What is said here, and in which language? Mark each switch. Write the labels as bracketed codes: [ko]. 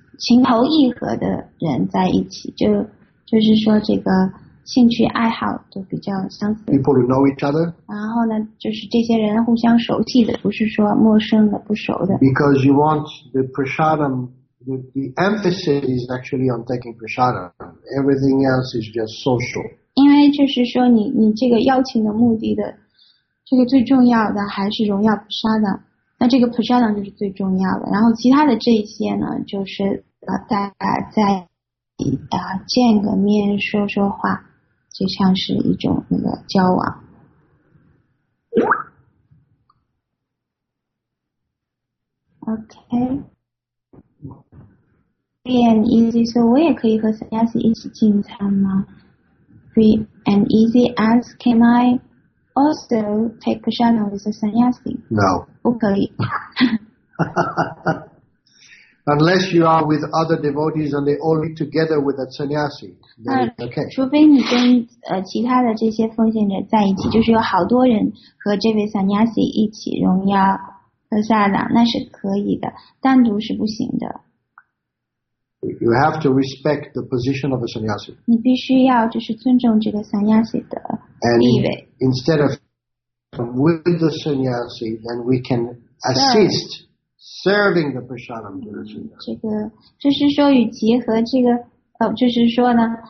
[zh] 情投意合的人在一起，就是说这个兴趣爱好都比较相似。 [en] People who know each other. [zh] 然后呢，就是这些人互相熟悉的，不是说陌生的、不熟的。 [en] Because you want the prasadam, the emphasis is actually on taking prasadam. Everything else is just social. [zh] 因为就是说你这个邀请的目的的，这个最重要的还是荣耀prasadam。那这个 prasadam 就是最重要的，然后其他的这些呢，就是大家在见个面说说话，就像是一种那个交往。 [en] OK， free and easy， [zh] 所以我也可以和 Sanyasi 一起进餐吗 ？ [en] Free and easy as can I？ Also, take prasadam with a sannyasi. No. [zh] 不可以 [en] Unless you are with other devotees and they all eat together with a sannyasi, then okay. [zh] 除非你跟其他的这些奉献者在一起，就是有好多人和这位 sannyasi 一起荣耀喝萨拉，那是可以的，单独是不行的。 [en] You have to respect the position of a sannyasi. [zh] 你必须要就是尊重这个 sannyasi 的地位。 [en] Instead of with the sannyasi, then we can assist serving the prasadam to the sannyasi. [zh] 这个就是说，与其和这个就是说呢，